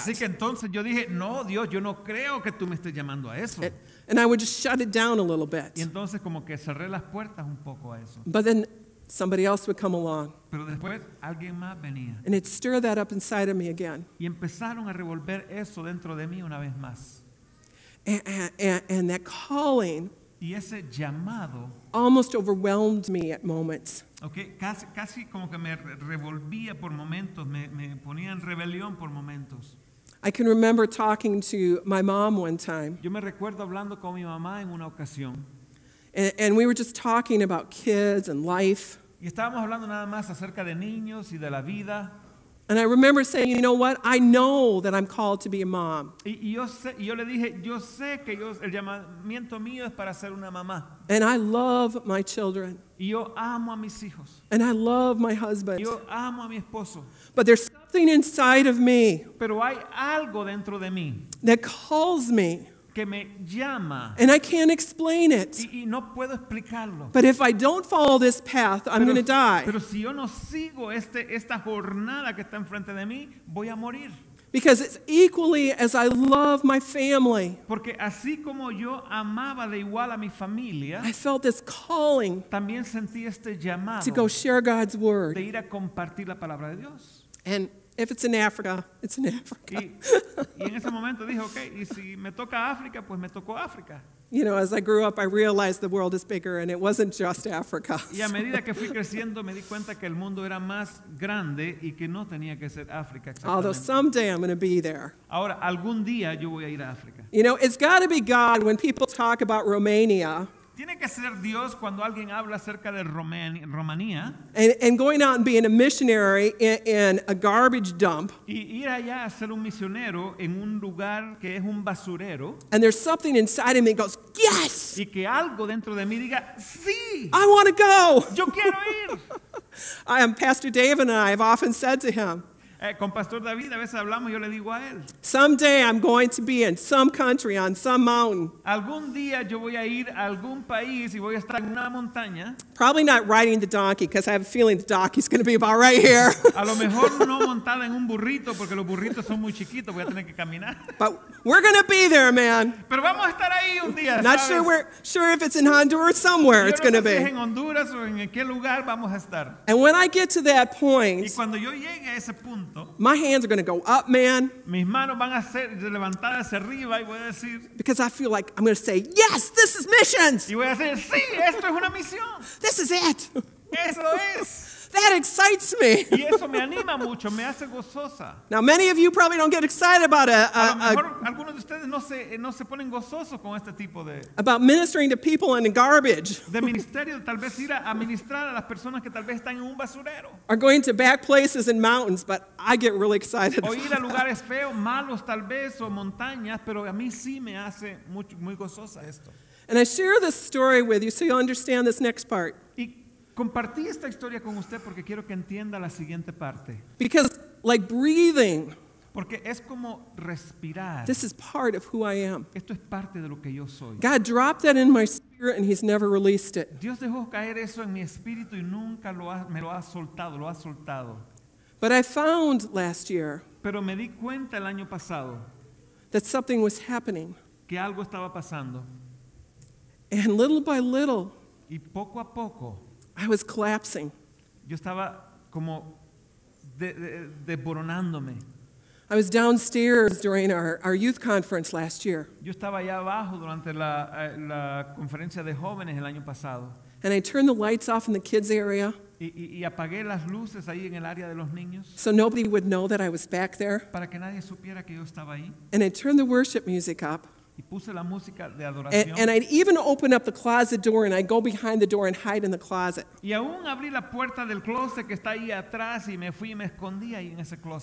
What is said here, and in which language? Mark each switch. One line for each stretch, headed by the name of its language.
Spanish: Así que entonces yo dije, no, Dios, yo no creo que tú me estés llamando a eso.
English: And I would just shut it down a little bit.
Spanish: Y entonces como que cerré las puertas un poco a eso.
English: But then somebody else would come along.
Spanish: Pero después, alguien más venía.
English: And it stirred that up inside of me again.
Spanish: Y empezaron a revolver eso dentro de mí una vez más.
English: And that calling,
Spanish: y ese llamado,
English: almost overwhelmed me at moments.
Spanish: Okay, casi como que me revolvía por momentos, me ponía en rebelión por momentos.
English: I can remember talking to my mom one time.
Spanish: Yo me recuerdo hablando con mi mamá en una ocasión.
English: And we were just talking about kids and life.
Spanish: Y estábamos hablando nada más acerca de niños y de la vida.
English: And I remember saying, you know what? I know that I'm called to be a mom.
Spanish: Y yo le dije, yo sé que yo, el llamamiento mío es para ser una mamá.
English: And I love my children.
Spanish: Y yo amo a mis hijos.
English: And I love my husband.
Spanish: Y yo amo a mi esposo.
English: But there's something inside of me.
Spanish: Pero hay algo dentro de mí.
English: That calls me.
Spanish: Que me llama.
English: And I can't explain it.
Spanish: Y no puedo explicarlo.
English: But if I don't follow this path, I'm going to die.
Spanish: Pero si yo no sigo esta jornada que está enfrente de mí, voy a morir.
English: Because it's equally as I love my family.
Spanish: Porque así como yo amaba de igual a mi familia,
English: I felt this calling.
Spanish: También sentí este llamado.
English: To go share God's word.
Spanish: De ir a compartir la palabra de Dios.
English: And if it's in Africa, it's in Africa.
Spanish: Y en ese momento dije, okay, y si me toca África, pues me tocó África.
English: You know, as I grew up, I realized the world is bigger and it wasn't just Africa.
Spanish: Y a medida que fui creciendo, me di cuenta que el mundo era más grande y que no tenía que ser África.
English: Although someday I'm going to be there.
Spanish: Ahora, algún día yo voy a ir a África.
English: You know, it's got to be God when people talk about Romania.
Spanish: Tiene que ser Dios cuando alguien habla acerca de Romanía.
English: And going out and being a missionary in a garbage dump.
Spanish: Y ir allá a ser un misionero en un lugar que es un basurero.
English: And there's something inside of me that goes, yes!
Spanish: Y que algo dentro de mí diga, sí!
English: I want to go!
Spanish: Yo quiero ir!
English: I am Pastor David and I have often said to him,
Spanish: con Pastor David a veces hablamos y yo le digo a él,
English: someday I'm going to be in some country on some mountain.
Spanish: Algún día yo voy a ir a algún país y voy a estar en una montaña.
English: Probably not riding the donkey because I have a feeling the donkey's going to be about right here.
Spanish: A lo mejor no montada en un burrito porque los burritos son muy chiquitos, voy a tener que caminar.
English: But we're going to be there, man.
Spanish: Pero vamos a estar ahí un día, ¿sabes?
English: Not sure sure if it's in Honduras somewhere
Spanish: yo
English: it's going to be.
Spanish: No sé si es en Honduras o en qué lugar vamos a estar.
English: And when I get to that point,
Spanish: y cuando yo llegue a ese punto,
English: my hands are going to go up, man.
Spanish: Mis manos van a ser levantadas hacia arriba y voy a decir,
English: because I feel like I'm going to say, yes, this is missions.
Spanish: Y voy a decir, sí, esto es una misión.
English: This is it.
Spanish: Eso es.
English: That excites me.
Spanish: Y eso me anima mucho, me hace gozosa.
English: Now, many of you probably don't get excited about
Spanish: algunos de ustedes no se ponen gozosos con este tipo de
English: about ministering to people in garbage.
Spanish: De ministerio, tal vez ir a ministrar a las personas que tal vez están en un basurero.
English: Are going to back places and mountains, but I get really excited.
Spanish: O ir a lugares feos, malos, tal vez o montañas, pero a mí sí me hace muy gozosa esto.
English: And I share this story with you so you understand this next part.
Spanish: Compartí esta historia con usted porque quiero que entienda la siguiente parte.
English: Because like breathing.
Spanish: Porque es como respirar.
English: This is part of who I am.
Spanish: Esto es parte de lo que yo soy.
English: God dropped that in my spirit and he's never released it.
Spanish: Dios dejó caer eso en mi espíritu y nunca lo ha soltado.
English: But I found last year.
Spanish: Pero me di cuenta el año pasado.
English: that something was happening.
Spanish: Que algo estaba pasando.
English: And little by little,
Spanish: y poco a poco,
English: I was collapsing.
Spanish: Yo estaba como desboronándome.
English: I was downstairs during our youth conference last year.
Spanish: Yo estaba allá abajo durante la conferencia de jóvenes el año pasado.
English: And I turned the lights off in the kids' area.
Spanish: Y apagué las luces ahí en el área de los niños.
English: So nobody would know that I was back there.
Spanish: Para que nadie supiera que yo estaba ahí.
English: And I turned the worship music up.
Spanish: Y puse la música de adoración.
English: And I'd even open up the closet door and I'd go behind the door and hide in the closet.
Spanish: Y aún abrí la puerta del closet que está ahí atrás y me fui y me escondí ahí en ese closet.